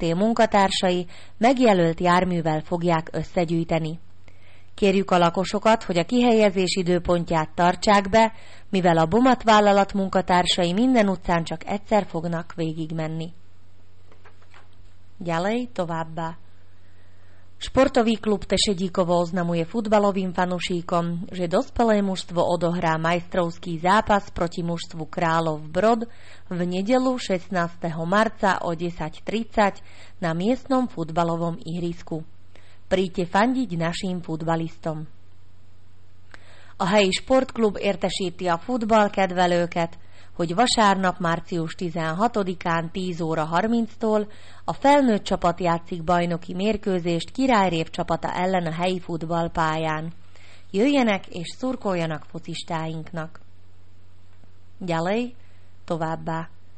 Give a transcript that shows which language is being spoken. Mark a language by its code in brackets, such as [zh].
[hu] Munkatársai megjelölt járművel fogják összegyűjteni. Kérjük a lakosokat, hogy a kihelyezés időpontját tartsák be, mivel a BOMAT vállalat munkatársai minden utcán csak egyszer fognak végigmenni. [sk] Ďalej [hu] továbbá. [sk] Športový klub Tešedíkovo oznamuje futbalovým fanušíkom, že dospelé mužstvo odohrá majstrovský zápas proti mužstvu Králov Brod v nedeľu 16. marca o 10:30 na miestnom futbalovom ihrisku. Príďte fandiť našim futbalistom. [hu] A helyi športklub értesíti a futbal kedvelőket, hogy vasárnap március 16-án 10 óra 30-tól a felnőtt csapat játszik bajnoki mérkőzést Királyrév csapata ellen a helyi futballpályán. Jöjjenek és szurkoljanak focistáinknak! [sk] Ďalej, [hu] továbbá!